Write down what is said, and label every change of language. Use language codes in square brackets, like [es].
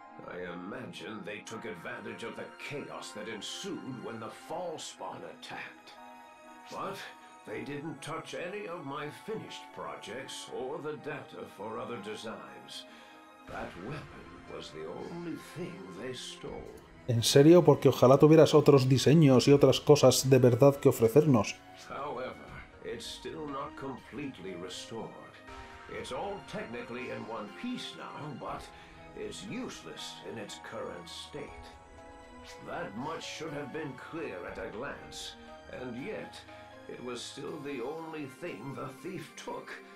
[en] I imagine they took advantage of the chaos that ensued when the Falspawn attacked. But they didn't touch any of my finished projects or the data for other designs. That weapon was the only thing they stole. [es] ¿En serio? Porque ojalá tuvieras otros diseños y otras cosas de verdad que ofrecernos. [en] However, it's still not completely restored. It's all technically in one piece now, but it's useless in its current state. That much should have been clear at a glance, and yet it was still the only thing the thief took.